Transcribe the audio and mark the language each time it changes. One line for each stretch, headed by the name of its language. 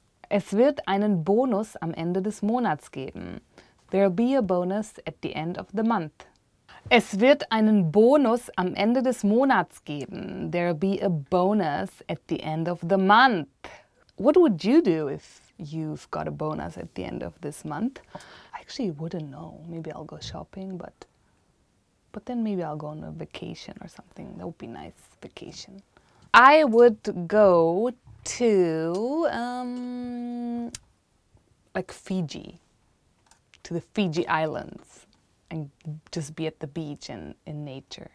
German: Es wird einen Bonus am Ende des Monats geben.
English: There'll be a bonus at the end of the month.
German: Es wird einen Bonus am Ende des Monats geben.
English: There'll be a bonus at the end of the month. What would you do if you've got a bonus at the end of this month? I actually wouldn't know. Maybe I'll go shopping, but then maybe I'll go on a vacation or something. That would be nice, vacation. I would go to like Fiji, to the Fiji Islands, and just be at the beach and in nature.